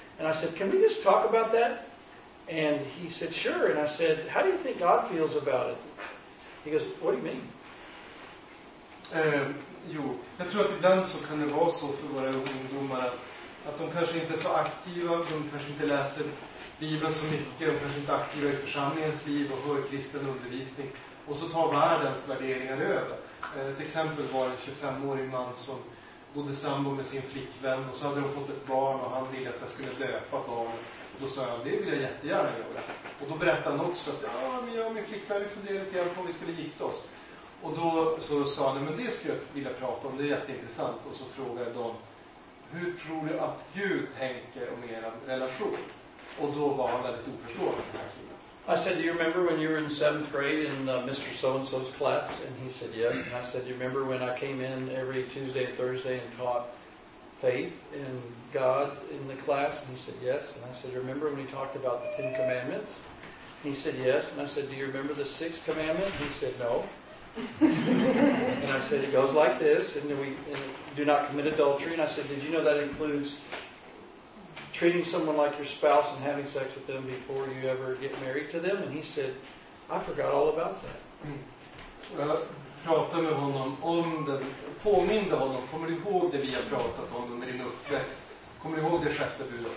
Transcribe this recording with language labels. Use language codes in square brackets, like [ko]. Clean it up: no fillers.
[en] And I said, can we just talk about that? And he said, sure. And I said, how do you think God feels about it? He goes, what do you mean? [sv] Jo, jag tror att ibland så kan det vara så för våra ungdomar att de kanske inte är så aktiva, de kanske inte läser Bibeln så mycket, de kanske inte är aktiva i församlingens liv och hör kristen undervisning. Och så tar världens värderingar över. Ett exempel var en 25-årig man som bodde sambo med sin flickvän och så hade de fått ett barn och han ville att jag skulle döpa barnet. Då sa han, det vill jag jättegärna göra. Och då berättade han också att ja, men jag och min flickvän vi funderade lite på om vi skulle gifta oss. Och då så sa han, men det skulle jag vilja prata om, det är jätteintressant. Och så frågade de, hur tror du att Gud tänker om er relation? Och då var han väldigt oförstående. [en] I said, do you remember when you were in 7th grade in Mr. So-and-so's class? And he said, yes. And I said, do you remember when I came in every Tuesday and Thursday and taught faith and God in the class? And he said, yes. And I said, remember when we talked about the 10 commandments? And he said, yes. And I said, do you remember the 6th commandment? And he said, no. And I said, it goes like this, and then do not commit adultery. And I said, did you know that includes treating someone like your spouse and having sex with them before you ever get married to them? And he said, I forgot all about that. [sv] Jag pratade med honom om den, påminde honom, kommer du ihåg det vi har pratat om under din uppväxt? Kommer du ihåg det sjätte budet?